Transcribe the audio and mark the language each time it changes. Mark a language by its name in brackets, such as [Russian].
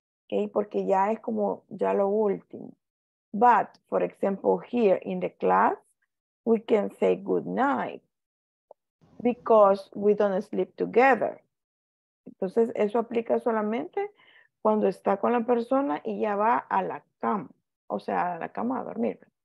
[Spanish] Okay, porque ya es como ya lo último. [English] But, for example, here in the class, we can say good night because we don't sleep together. [Spanish] Entonces, eso aplica solamente cuando está con la persona y ya va a la cama, o sea, a la cama a dormir.